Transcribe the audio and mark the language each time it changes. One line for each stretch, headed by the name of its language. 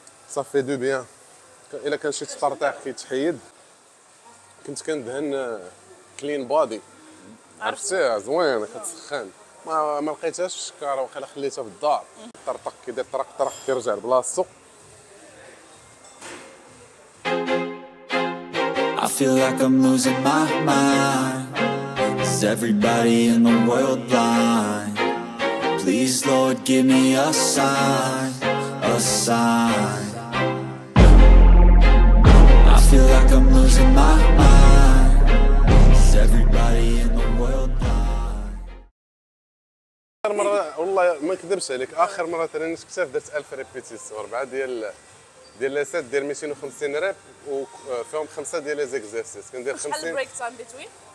Arabic: صافي دو بيان الا كان شي تطرطح كيتحيد. كنت كندهن كلين بادي عرفتيها زوينه كتسخن ما لقيتهاش في الشكاره واخا خليتها في الدار طرطق كيدير طرق طرق كيرجع لبلاصتو.
English: I feel like I'm losing my mind. Is everybody in the world blind? Please Lord give me a sign. A sign. I feel like I'm losing my mind. Is everybody in the world blind?
Arabic: آخر مرة والله ما نكذبش عليك آخر مرة تراني كتاف درت 1000 ريبيتيسيون أربعة ديال لاسات ديال 250 ريب وفيهم خمسة ديال ليزيكزارسيس كندير 50 شحال
English: البريك time between?